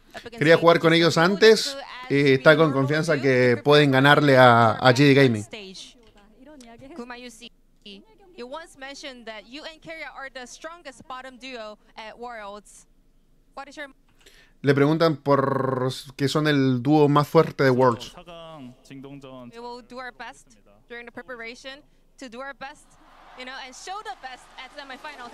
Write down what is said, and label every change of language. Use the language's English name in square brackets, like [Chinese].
[Spanish] Quería jugar con ellos antes y está con confianza que pueden ganarle a GD Gaming. [English] Kuma, you once mentioned that you and Carrier are the strongest bottom duo at Worlds. What is your? [Spanish] Le preguntan por que son el dúo más fuerte de Worlds. [English] We will do our best during the preparation to do our best, you know, and show the best at the semifinals.